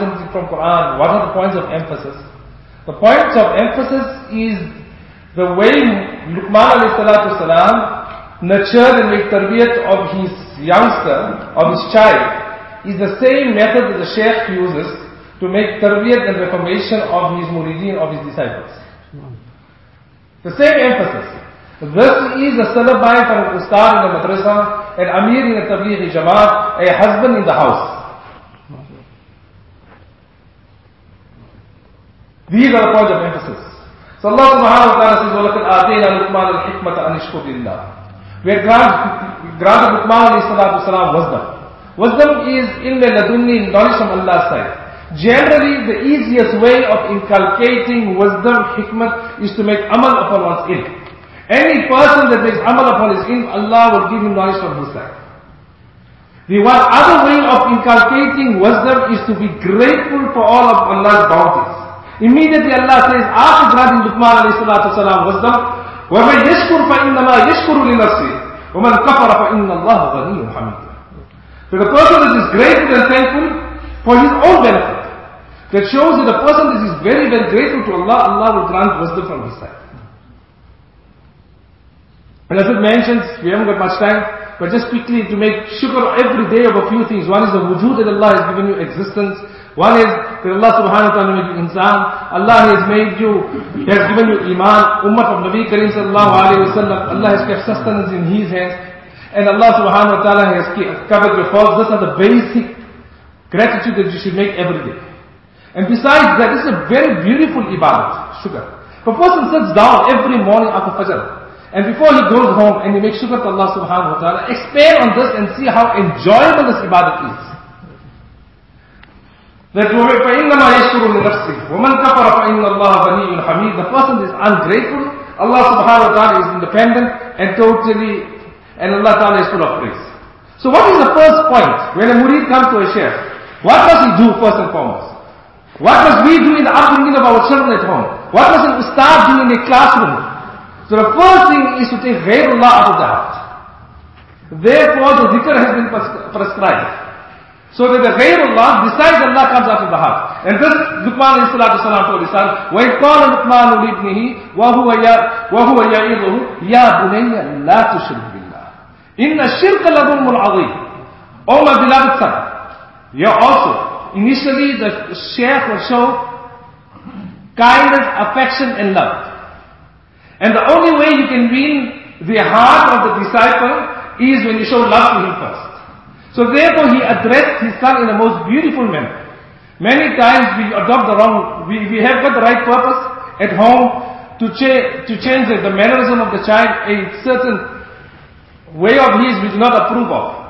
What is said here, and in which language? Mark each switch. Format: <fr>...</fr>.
<en>Isn't it from Quran? What are the points of emphasis? The points of emphasis is the way Luqman alayhi salatu salam nurtured and made tarbiyat of his youngster, of his child, is the same method that the sheikh uses to make tarbiyat and reformation of his muridin, of his disciples. The same emphasis. This is a syllabi from ustad in the madrasa, an amir in the tabligh jamaat, a husband in the house. These are the points of emphasis. So Allah subhanahu wa ta'ala says,</en> <ar>وَلَكَدْ آتَيْنَا لُقْمَانَ الْحِكْمَةَ أَنِ اشْكُرْ لِلَّهِ.</ar> <en>We have granted Luqman alayhi salatu wasalam wisdom. Wisdom is ilm al-ladunni, knowledge from Allah's side. Generally, the easiest way of inculcating wisdom, hikmat, is to make amal upon one's ilm. Any person that makes amal upon his ilm, Allah will give him knowledge from his side. The one other way of inculcating wisdom is to be grateful for all of Allah's bounties. Immediately Allah says, after granting Luqman alayhi salatu wasalam wisdom,</en> <ar>وَمَنْ يَشْكُرْ فَإِنَّمَا يَشْكُرُ لِنَفْسِهِ وَمَنْ كَفَرَ فَإِنَّ اللَّهُ غَنِيٌّ حَمِيدٌ.</ar> <en>So the person that is grateful and thankful for his own benefit, that shows that the person that is very, very grateful to Allah, Allah will grant wisdom from his side. And as it mentions, we haven't got much time, but just quickly to make shukr every day of a few things. One is the wujud that Allah has given you existence. One is that Allah subhanahu wa ta'ala made you insan. Allah has made you, has given you iman, ummah of Nabi Kareem sallallahu alayhi wa sallam. Allah has kept sustenance in his hands. And Allah subhanahu wa ta'ala has covered your faults. These are the basic gratitude that you should make every day. And besides that, this is a very beautiful ibadah, shukr. A person sits down every morning after fajr. And before he goes home and he makes shukr to Allah subhanahu wa ta'ala, expand on this and see how enjoyable this ibadah is. That</en> <ar>فَإِنَّمَا يَشْكُرُ لِنَفْسِهِ وَمَنْ كَفَرَ فَإِنَّ اللَّهَ غَنِيٌّ حَمِيدٌ.</ar> <en>The person is ungrateful, Allah subhanahu wa ta'ala is independent and totally, and Allah ta'ala is full of praise. So what is the first point when a murid comes to a sheikh? What does he do first and foremost? What does we do in the upbringing of our children at home? What does an ustad do in a classroom? So the first thing is to take ghairullah out of the heart. Therefore the dhikr has been prescribed. So that the ghairullah, besides Allah, comes out of the heart. And this, Luqman alayhi salatu wasalam told his son,</en> <ar>وَإِذْ قَالَ لُقْمَانُ لِبْنِهِ وَهُوَ يَعِظُهُ يَا بُنَيَّ لَا تُشْرِكْ بِاللَّهِ إِنَّ الشِّرْكَ لَظُلْمٌ عَظِيمٌ.</ar> <en>Oh my beloved son, you also, initially the sheikh will show kindness, affection and love. And the only way you can win the heart of the disciple is when you show love to him first. So therefore he addressed his son in a most beautiful manner. Many times we adopt the wrong, we have got the right purpose at home to change the mannerism of the child, a certain way of his we do not approve of.</en>